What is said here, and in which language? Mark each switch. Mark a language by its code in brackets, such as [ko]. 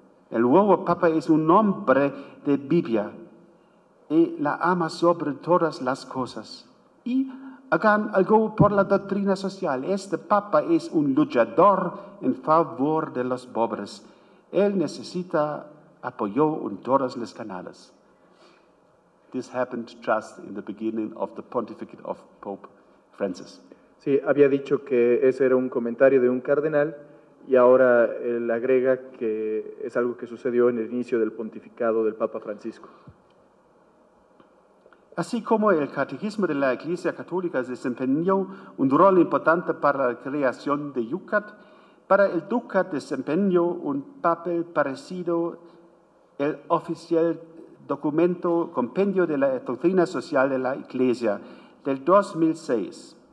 [es] El nuevo Papa es un hombre de Biblia y la ama sobre todas las cosas. Y hagan algo por la doctrina social. Este Papa es un luchador en favor de los pobres. Él necesita apoyo en todos los canales. [en] This happened just in the beginning of the pontificate of Pope Francis. [es] Sí, había dicho que ese era un comentario de un cardenal y ahora él agrega que es algo que sucedió en el inicio del pontificado del Papa Francisco. Así como el catecismo de la Iglesia Católica desempeñó un rol importante para la creación de DOUCAT, para el DOUCAT desempeñó un papel parecido el oficial documento Compendio de la Doctrina Social de la Iglesia del 2006.